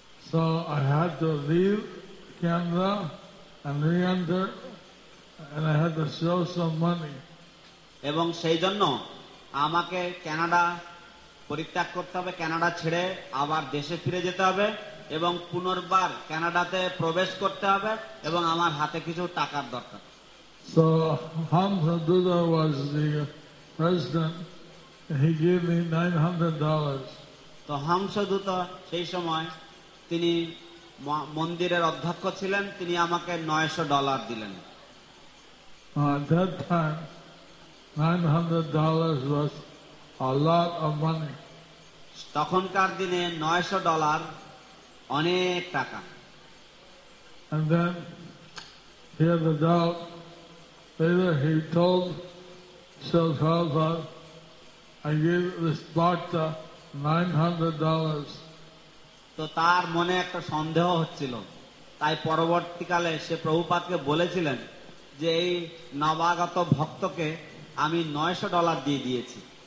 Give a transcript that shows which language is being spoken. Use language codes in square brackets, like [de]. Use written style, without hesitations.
[en] So I had to leave Canada and re-enter and I had to show some money. [bn] এবং সেই জন্য আমাকে Canada পরিত্যাগ করতে হবে, কানাডা ছেড়ে আবার দেশে ফিরে যেতে হবে এবং পুনর্বার কানাডাতে প্রবেশ করতে হবে এবং আমার হাতে কিছু টাকার দরকার। [en] So Hamza Duda was the president. He gave me $900. [bn] তো হামসা দূত সেই সময় তিনি মন্দিরের অধ্যক্ষ ছিলেন, তিনি আমাকে $900 দিলেন। [en] That time $900 was a lot of money. [bn] তখনকার দিনে $900 অনেক টাকা। [en] And then he had a doubt. Later he told Srila Prabhupada, I give this bhakta $900. [bn] তো তার মনে একটা সন্দেহ হচ্ছিল, তাই পরবর্তীকালে সে প্রভুপাদকে বলেছিলেন যে এই নবাগত ভক্তকে আমি $900 দিয়ে দিয়েছি।